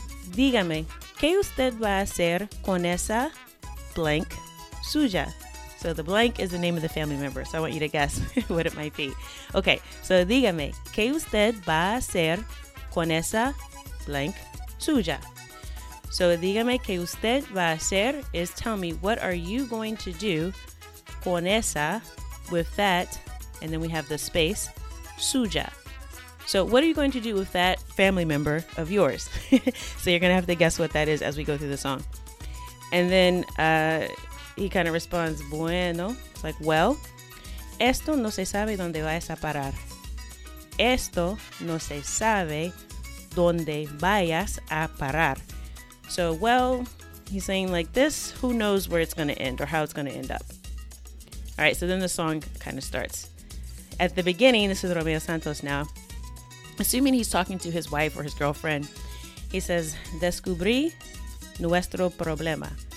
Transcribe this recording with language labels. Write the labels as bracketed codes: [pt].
[es] Dígame, ¿qué usted va a hacer con esa blank suya? [en] So the blank is the name of the family member. So I want you to guess what it might be. [es] Okay, so dígame, ¿qué usted va a hacer con esa blank suya? [en] So [es] dígame, ¿qué usted va a hacer [en] is tell me, what are you going to do [es] con esa, [en] with that, and then we have the space, suya. So what are you going to do with that family member of yours? So you're going to have to guess what that is as we go through the song. And then he kind of responds, bueno. It's like, well. [es] Esto no se sabe dónde vayas a parar. Esto no se sabe dónde vayas a parar. [en] So, well, he's saying like this, who knows where it's going to end or how it's going to end up. All right, so then the song kind of starts. At the beginning, this is Romeo Santos now. Assuming he's talking to his wife or his girlfriend, he says, [es] descubrí nuestro problema.